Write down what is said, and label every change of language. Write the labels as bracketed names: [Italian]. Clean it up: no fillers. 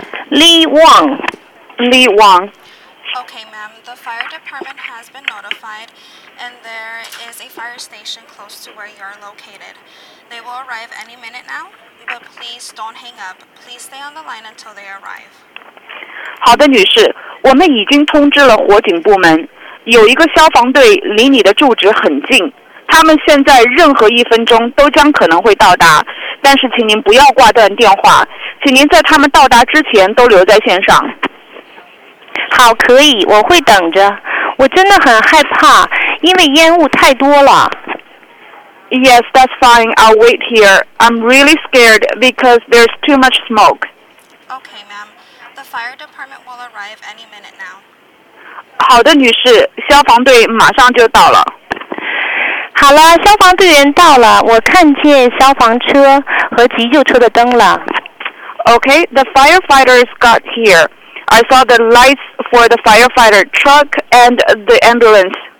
[English] Lee Wong. Lee Wong. Okay, ma'am. The fire department has been notified, and there is a fire station close to where you're located. They will arrive any minute now, but please don't hang up. Please stay on the line until they arrive. [Chinese] 好的，女士，我们已经通知了火警部门。有一个消防队离你的住址很近，他们现在任何一分钟都将可能会到达，但是请您不要挂断电话，请您在他们到达之前都留在线上。好，可以，我会等着。我真的很害怕，因为烟雾太多了。 [English] Yes, that's fine. I'll wait here. I'm really scared because there's too much smoke. Okay, ma'am. The fire department will arrive any minute now. [Chinese] 好的，女士，消防队马上就到了。好了，消防队员到了，我看见消防车和急救车的灯了。 [English] Okay, the firefighters got here. I saw the lights for the firefighter truck and the ambulance.